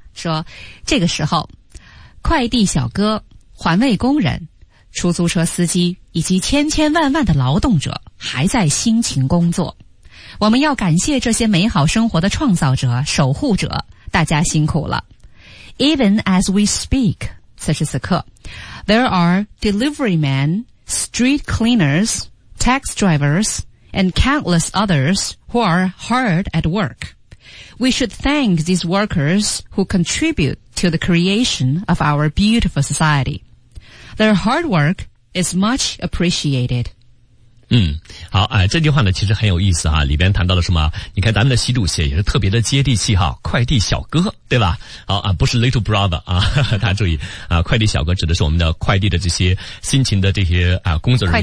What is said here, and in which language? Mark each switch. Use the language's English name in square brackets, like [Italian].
[Chinese] 说这个时候，快递小哥、环卫工人、出租车司机以及千千万万的劳动者还在辛勤工作，我们要感谢这些美好生活的创造者、守护者，大家辛苦了。 [English] Even as we speak， [Chinese] 此时此刻， [English] There are delivery men, street cleaners, tax drivers and countless others who are hard at workWe should thank these workers who contribute to the creation of our beautiful society. Their hard work is much appreciated. [Chinese] 嗯，好，哎，这句话呢其实很有意思哈，里边谈到了什么？你看咱们的习主席也是特别的接地气哈，快递小哥，对吧？好啊，不是 [English] little brother [Chinese] 啊，大家注意啊，快递小哥指的是我们的快递的这些辛勤的这些啊工作人员，